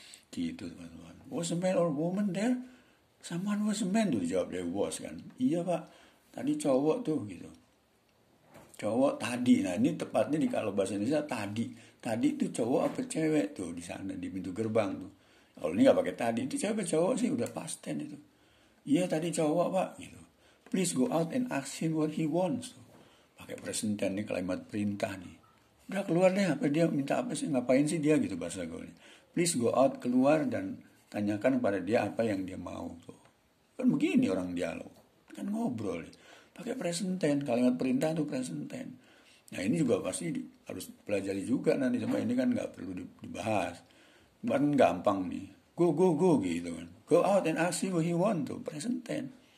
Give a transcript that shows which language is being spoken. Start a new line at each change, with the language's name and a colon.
Indonesian: Gitu teman-teman.
English: Was a man or woman there? Someone was a man tuh,
Indonesian: jawab dia,
English: was kan.
Indonesian: Iya pak, tadi cowok tuh gitu. Cowok tadi, nah ini tepatnya di kalau bahasa Indonesia tadi. Tadi itu cowok apa cewek tuh di sana di pintu gerbang tuh. Kalau ini nggak pakai tadi, itu cewek cowok sih udah pasten itu. Iya tadi cowok pak gitu.
English: Please go out and ask him what he wants.
Indonesian: Tuh. Pakai present tense nih, kalimat perintah nih. Udah keluar deh, apa dia minta apa sih, ngapain sih dia gitu bahasa gaulnya.
English: Please go out,
Indonesian: keluar dan tanyakan kepada dia apa yang dia mau tuh. Kan begini orang dialog, kan ngobrol ya. Pakai present tense, kalimat perintah tuh present tense. Nah ini juga pasti harus pelajari juga nanti, cuma ini kan gak perlu dibahas. Cuman gampang nih, go gitu kan.
English: Go out and ask him what he want tuh, present tense.